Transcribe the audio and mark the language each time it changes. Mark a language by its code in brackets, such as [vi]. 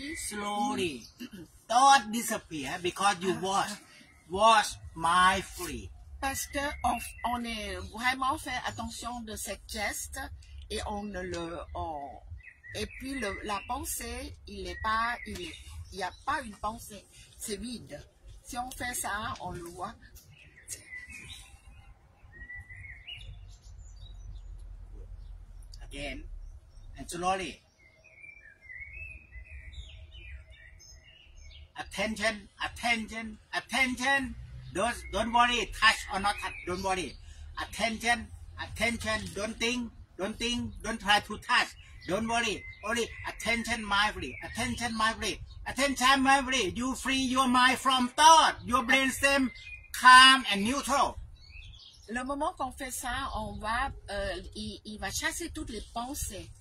[en] Slowly, don't disappear because you watch mindfully. [fr] Parce que on est vraiment fait attention de cette geste et on le on, et puis la pensée, il y a pas une pensée, c'est vide. Si on fait ça, on le voit. [en] Again. And slowly, attention, attention, attention, don't worry, touch or not touch, don't worry, attention, attention, don't think, don't try to touch, don't worry, only attention mindfully, attention mindfully, attention mindfully, you free your mind from thought, your brain stem calm and neutral. [fr] Le moment qu'on fait ça, on va, il va chasser toutes les pensées.